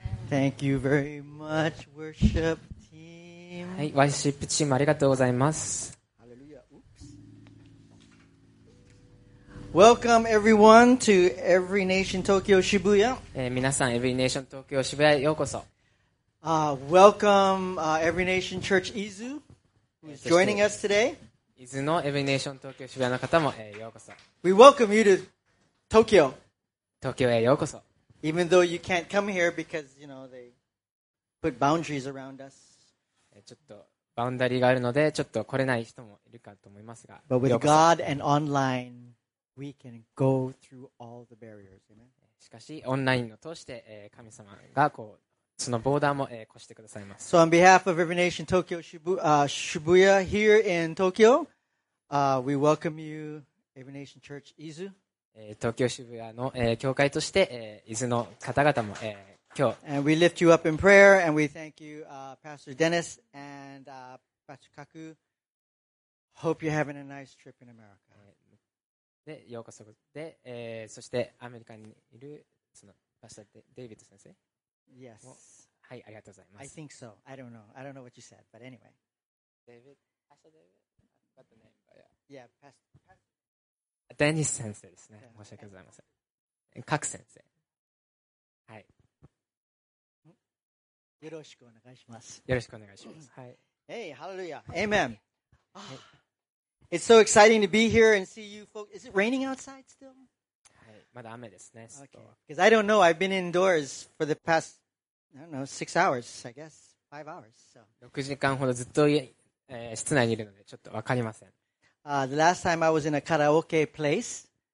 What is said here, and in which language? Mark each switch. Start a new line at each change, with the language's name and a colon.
English: Thank you very much, worship team.
Japanese: はい、ワーシップチームありがとうございます。
English: Welcome everyone to Every Nation Tokyo Shibuya.
Japanese: 皆さん、Every Nation Tokyo Shibuya へようこそ。
English: Welcome Every Nation Church Izu, who's joining us today.
Japanese: Izu の Every Nation Tokyo Shibuya の方も、ようこそ。
English: We welcome you to Tokyo.
Japanese: 東京へようこそ。
English: Even though you can't come here because, you know, they put boundaries around us.
Japanese: ちょっとバウンダリーがあるので、ちょっと来れない人もいるかと思いますが。
English: But with God and online, we can go through all the barriers.
Japanese: しかし、オンラインを通して、神様がこう、そのボーダーも、越してくださいます。
English: So on behalf of Every Nation Tokyo Shibuya here in Tokyo, we welcome you, Every Nation Church Izu.
Japanese: 東京渋谷の、教会として、伊豆の方々も、今日
English: and we lift you up in prayer and we thank you Pastor Dennis and Pastor Kaku hope you're having a nice trip in America
Japanese: でようこそで、そしてアメリカにいるそのパスタデイビッド先生
English: yes
Japanese: はいありがとうございます
English: I think so I don't know what you said but anyway David Pastor David I forgot the name but yeah Pastor
Japanese: デニス先生ですね。申し訳ございません。カク先生。はい。よろしくお願いします。よろしくお願いします。はい。
English: Hey, hallelujah. Amen. It's so exciting to be here and see you folks. Is it raining outside still?
Japanese: はい。まだ雨ですね。
English: Because I don't know. I've been indoors for the past, I don't know, 6 hours, I guess. 5 hours. So.
Japanese: 6時間ほどずっと、室内にいるので、ちょっとわかりません。
English: The last time I was in a karaoke place.